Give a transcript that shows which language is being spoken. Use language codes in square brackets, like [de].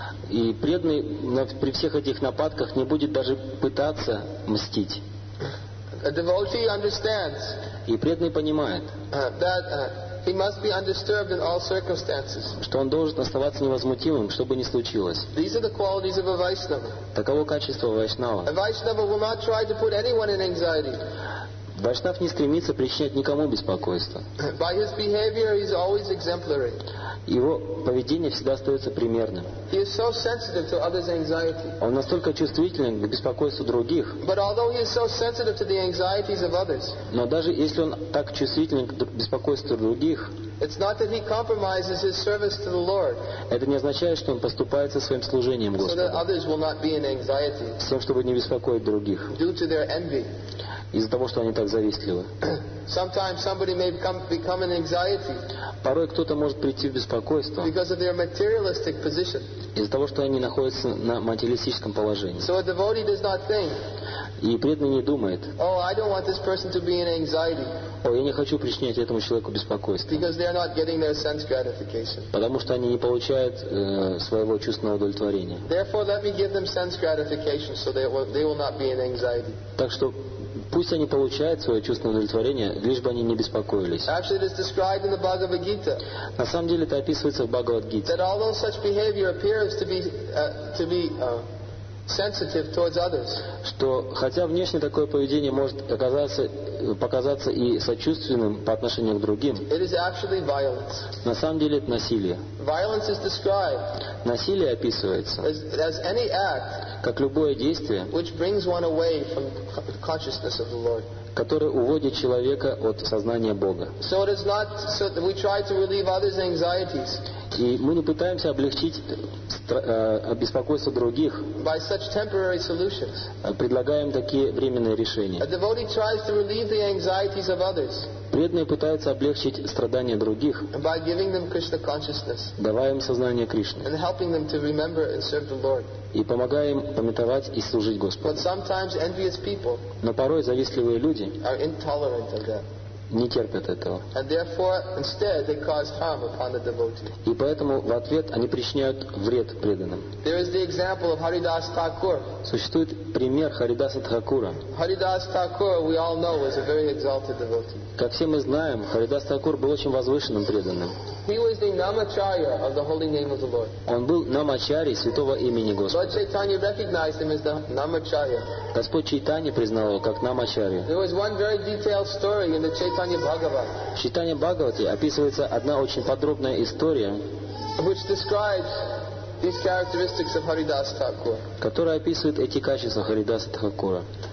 [ru] И преданный при всех этих нападках не будет даже пытаться мстить. [en] A devotee understands. [ru] И преданный понимает. [en] That he must be undisturbed in all circumstances. [ru] Что он должен оставаться невозмутимым, что бы ни случилось. [en] These are the qualities of a Vaishnava. [ru] Таково качество вайшнава. [en] A Vaishnava will not try to put anyone in anxiety. [ru] Вайшнав не стремится причинять никому беспокойство. [en] By his behavior, he's always exemplary. [ru] Его поведение всегда остается примерным. [en] He is so sensitive to others' anxiety. [ru] Он настолько чувствителен к беспокойству других. [en] But although he is so sensitive to the anxieties of others, [ru] но даже если он так чувствителен к беспокойству других, [en] it's not that he compromises his service to the Lord. [ru] Это не означает, что он поступается своим служением Господу. [en] So that others will not be in anxiety. [ru] С тем, чтобы не беспокоить других. [en] Due to their envy. [ru] Из-за того, что они так завистливы. [en] Sometimes somebody may become an anxiety. [ru] Порой кто-то может прийти в беспокойство. [en] Because of their materialistic position. [ru] Из-за того, что они находятся на материалистическом положении. [en] So a devotee does not think. [ru] И преданный не думает. [en] Oh, I don't want this person to be in anxiety. [ru] О, я не хочу причинять этому человеку беспокойство. [en] Because they are not getting their sense gratification. [ru] Потому что они не получают своего чувственного удовлетворения. [en] Therefore, let me give them sense gratification, so they will not be in anxiety. [ru] Так что пусть они получают свое чувственное удовлетворение, лишь бы они не беспокоились. [en] Actually, it is described in the Bhagavad Gita. [ru] На самом деле это описывается в Бхагавад Гите. [en] That although such behavior appears to be sensitive towards others. [ru] Что хотя внешне такое поведение может показаться и сочувственным по отношению к другим, [en] it is actually violence. [ru] На самом деле это насилие. [en] Violence is described. [ru] Насилие описывается [en] as any act, [ru] как любое действие, [en] which brings one away from consciousness of the Lord. [ru] Которое уводит человека от сознания Бога. [en] So it is not so that we try to relieve others' anxieties. [ru] И мы не пытаемся облегчить беспокойство других, [en] by such temporary solutions. [ru] Предлагаем такие временные решения. [en] A devotee tries to relieve the anxieties of others. [ru] Преданные пытаются облегчить страдания других, [en] by giving them Krishna consciousness. [ru] Давая им сознание Кришны. [en] And helping them to remember and serve the Lord. [ru] И помогая им памятовать и служить Господу. [en] But sometimes envious people, [ru] но порой завистливые люди, [en] are intolerant of that. [ru] Не терпят этого. [en] And therefore, instead, they cause harm upon the devotee. [ru] И поэтому в ответ они причиняют вред преданным. [en] There is the example of Haridas Thakur. [ru] Существует пример Харидаса Тхакура. [en] Haridas Thakur, we all know, was a very exalted devotee. [ru] Как все мы знаем, Харидас Тхакур был очень возвышенным преданным. [en] He was the Namacharya of the holy name of the Lord. [ru] Он был Намачари святого имени Господа. [en] Lord Chaitanya recognized him as the Namacharya. [ru] Господь Чайтанья признал его как Намачари. [en] There was one very detailed story in the Chaitanya Bhagavat. [ru] В Чайтанья Бхагавате описывается одна очень подробная история, [en] which describes these characteristics of Haridas Thakur. [ru] Которая описывает эти качества Харидаса Тхакура.